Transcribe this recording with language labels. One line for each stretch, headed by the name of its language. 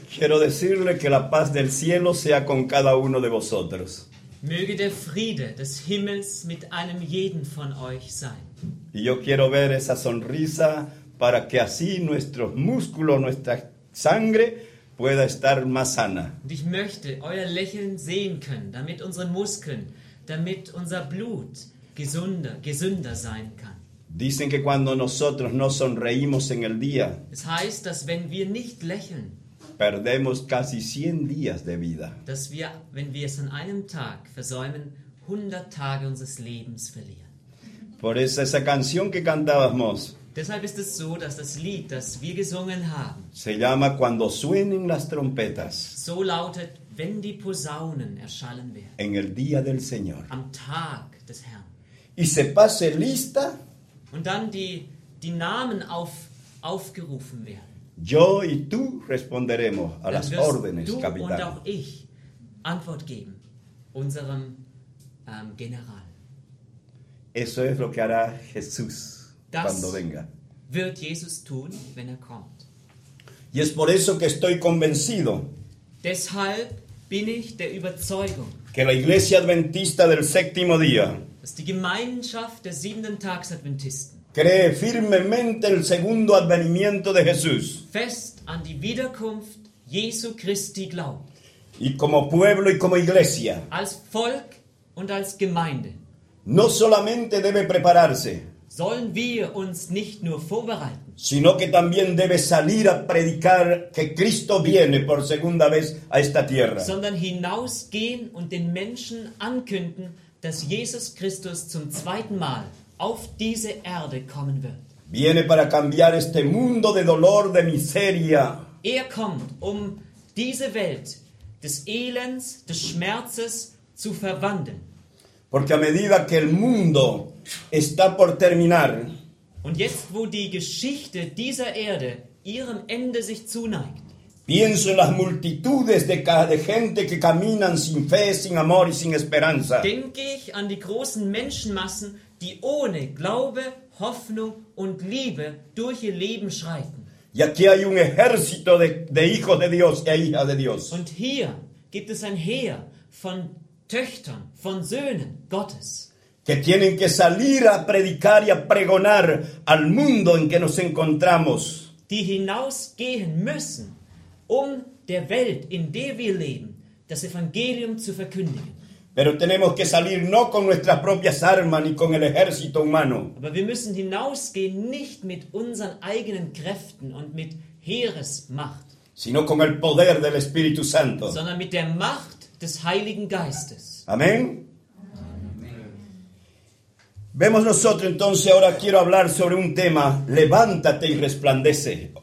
Spanish: Quiero decirle que la paz del cielo sea con cada uno de vosotros.
German: Möge der Friede des Himmels mit einem jeden von euch sein.
Spanish: Y yo quiero ver esa sonrisa para que así nuestros músculos, nuestra sangre pueda estar más sana.
German: Und ich möchte euer Lächeln sehen können, damit unsere Muskeln, damit unser Blut gesünder sein kann.
Spanish: Dicen que cuando nosotros no sonreímos en el día,
German: es heißt, dass wenn wir nicht lächeln,
Spanish: perdemos casi 100 días de vida.
German: Dass wir, wenn wir es an einem Tag versäumen, 100 Tage unseres Lebens verlieren.
Spanish: Por eso esa canción que cantábamos.
German: Deshalb ist es so, dass das Lied, das wir gesungen haben,
Spanish: se llama Cuando suenen las trompetas.
German: So lautet, wenn die Posaunen erschallen werden.
Spanish: En el día del Señor.
German: Am Tag des Herrn.
Spanish: Y se pase lista.
German: Und dann die Namen aufgerufen werden.
Spanish: Yo y tú responderemos a
German: dann
Spanish: las órdenes, capitán.
German: Und auch ich Antwort geben unserem General.
Spanish: Eso es lo que hará Jesús
German: das
Spanish: cuando venga.
German: Wird Jesus tun, wenn er kommt.
Spanish: Y es por eso que estoy convencido.
German: Deshalb bin ich der Überzeugung,
Spanish: que la Iglesia Adventista del Séptimo Día,
German: dass die Gemeinschaft der siebenten Tags Adventisten,
Spanish: cree firmemente el segundo advenimiento de Jesús.
German: Fest an die Wiederkunft Jesu Christi glaubt.
Spanish: Y como pueblo y como iglesia.
German: Als Volk und als Gemeinde.
Spanish: No solamente debe prepararse.
German: Sollen wir uns nicht nur vorbereiten.
Spanish: Sino que también debe salir a predicar que Cristo viene por segunda vez a esta tierra.
German: Sondern hinausgehen und den Menschen ankünden, dass Jesus Christus zum zweiten Mal auf diese Erde kommen wird.
Spanish: Viene para cambiar este mundo de dolor, de miseria.
German: Er kommt, um diese Welt des Elends, des Schmerzes zu verwandeln.
Spanish: Porque a medida que el mundo está por terminar,
German: und jetzt, wo die Geschichte dieser Erde ihrem Ende sich zuneigt,
Spanish: pienso en las multitudes de gente que caminan sin fe, sin amor y sin esperanza.
German: Denke ich an die großen Menschenmassen, die ohne Glaube, Hoffnung und Liebe durch ihr Leben schreiten.
Spanish: Y aquí hay un ejército de hijos de Dios e hijas de Dios.
German: Und hier gibt es ein Heer von Töchtern, von Söhnen Gottes.
Spanish: Que tienen que salir a predicar y a pregonar al mundo en que nos encontramos.
German: Die hinausgehen müssen, um der Welt, in der wir leben, das Evangelium zu verkündigen.
Spanish: Pero tenemos que salir no con nuestras propias armas ni con el ejército humano.
German: Aber wir müssen hinausgehen nicht mit unseren eigenen Kräften und mit Heeresmacht,
Spanish: sino con el poder del Espíritu Santo.
German: Sondern mit der Macht des Heiligen Geistes.
Spanish: Amén. Vemos nosotros entonces ahora quiero hablar sobre un tema, levántate y resplandece.